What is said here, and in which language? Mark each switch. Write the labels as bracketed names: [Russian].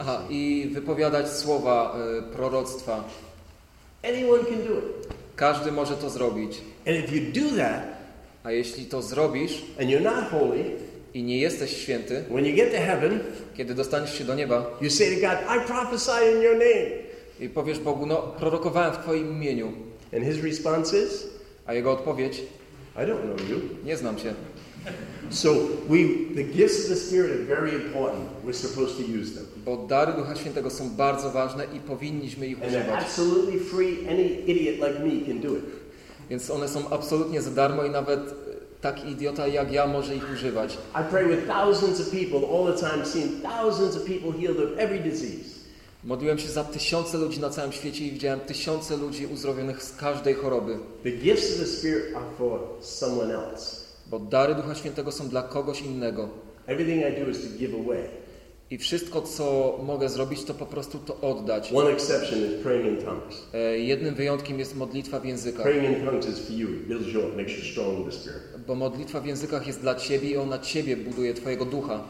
[Polish] Aha, i wypowiadać słowa proroctwa. [English] Anyone can do it. [Polish] Każdy może to zrobić. [English] And if you do that, [Polish] a jeśli to zrobisz, [English] and you're not holy, [Polish] i nie jesteś święty, [English] when you get to heaven, [Polish] kiedy dostaniesz się do nieba, [English] you say to God, I prophesy in your name. [Polish] I powiesz Bogu, no, prorokowałem w Twoim imieniu. [English] And his response is, [Polish] a jego odpowiedź, [English] I don't know you. [Polish] Nie znam cię. [English] So we, the gifts of the Spirit are very important. We're supposed to use them. [Polish] Bo dary Ducha Świętego są bardzo ważne i powinniśmy ich używać. [English] And they're absolutely free. Any idiot like me can do it. [Polish] Więc one są absolutnie za darmo i nawet taki idiota jak ja może ich używać. [English] I pray with thousands of people all the time, seeing thousands of people healed of every disease. [Polish] Modliłem się za tysiące ludzi na całym świecie i widziałem tysiące ludzi uzdrowionych z każdej choroby. [English] The gifts of the Spirit are for someone else. [Polish] Bo dary Ducha Świętego są dla kogoś innego. [English] Everything I do is to give away. [Polish] I wszystko, co mogę zrobić, to po prostu to oddać. [English] One exception is praying in tongues. [Polish] Jednym wyjątkiem jest modlitwa w językach. [English] Praying in tongues is for you. It builds you up, makes you strong in the Spirit. [Polish] Bo modlitwa w językach jest dla ciebie i ona ciebie buduje, twojego ducha.